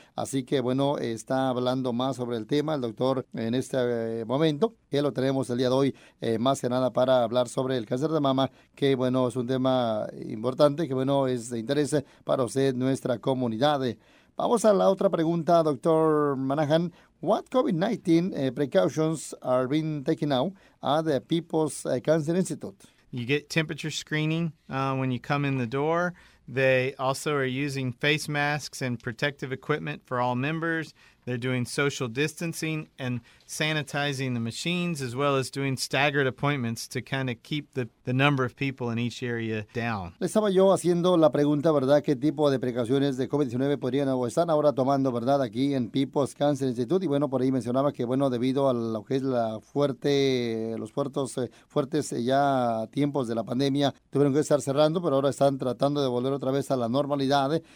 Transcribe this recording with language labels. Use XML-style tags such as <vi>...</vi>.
<es>Así que, bueno, está hablando más sobre el tema el doctor en este momento, que lo tenemos el día de hoy, más que nada para hablar sobre el cáncer de mama, que bueno, es un tema importante, que bueno, es de interés para usted, nuestra comunidad. Vamos a la otra pregunta, doctor Manahan.</es> <en>What COVID-19 precautions are being taken now at the People's Cancer Institute? You get temperature screening when you come in the door. They also are using face masks and protective equipment for all members. They're doing social distancing and sanitizing the machines, as well as doing staggered appointments to kind of keep the number of people in each area down.</en> <es>Le estaba yo haciendo la pregunta, ¿verdad? ¿Qué tipo de precauciones de COVID-19 podrían o están ahora tomando, ¿verdad?, aquí en People's Cancer Institute. Y bueno, por ahí mencionaba que, bueno, debido a lo que es los fuertes tiempos de la pandemia, tuvieron que estar cerrando, pero ahora están tratando de volver otra vez a la normalidad.</es>